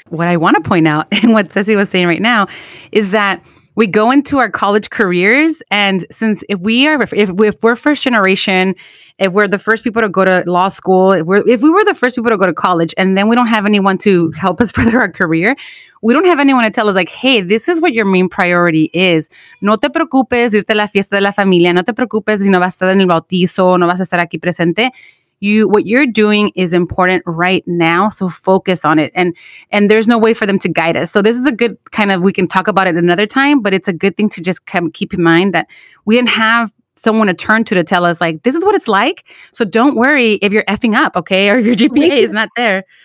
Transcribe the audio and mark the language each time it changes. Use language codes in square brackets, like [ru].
[en] What I want to point out, and what Ceci was saying right now, is that we go into our college careers, and since if we're first generation, if we're the first people to go to law school, if we were the first people to go to college, and then we don't have anyone to help us further our career, we don't have anyone to tell us, like, hey, this is what your main priority is. [es] No te preocupes irte a la fiesta de la familia. No te preocupes si no vas a estar en el bautizo, no vas a estar aquí presente. [en] What you're doing is important right now, so focus on it. And there's no way for them to guide us. So this is a good kind of, we can talk about it another time, but it's a good thing to just keep in mind that we didn't have someone to turn to tell us, like, this is what it's like. So don't worry if you're effing up, okay? Or if your GPA is not there.